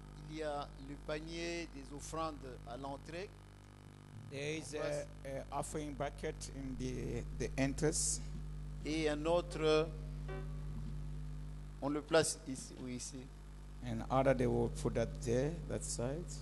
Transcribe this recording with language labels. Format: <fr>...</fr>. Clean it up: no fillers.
<fr>Il y a le panier des offrandes à l'entrée.</fr> <en>There is an offering bucket in the entrance.</en> <fr>Et un autre, on le place ici, oui, ici.</fr> <en>And other they will put that there, that side.</en>